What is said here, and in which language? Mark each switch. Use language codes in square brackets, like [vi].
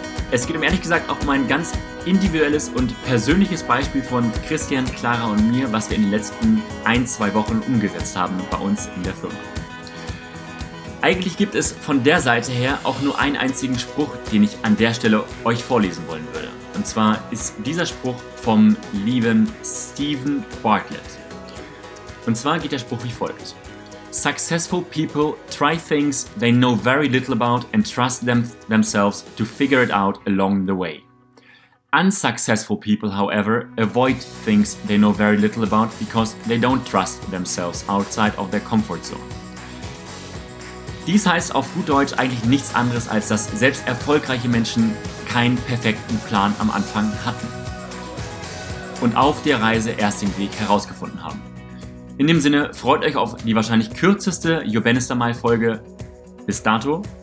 [de] Es geht um ehrlich gesagt auch um ein ganz individuelles und persönliches Beispiel von Christian, Clara und mir, was wir in den letzten ein, zwei Wochen umgesetzt haben bei uns in der Firma. Eigentlich gibt es von der Seite her auch nur einen einzigen Spruch, den ich an der Stelle euch vorlesen wollen würde. Und zwar ist dieser Spruch vom lieben Stephen Bartlett. Und zwar geht der Spruch wie folgt. [en] Successful people try things they know very little about and trust themselves to figure it out along the way. Unsuccessful people, however, avoid things they know very little about because they don't trust themselves outside of their comfort zone. [de] Dies heißt auf gut Deutsch eigentlich nichts anderes, als dass selbst erfolgreiche Menschen keinen perfekten Plan am Anfang hatten und auf der Reise erst den Weg herausgefunden haben. In dem Sinne, freut euch auf die wahrscheinlich kürzeste Your Bannister Mile Folge bis dato.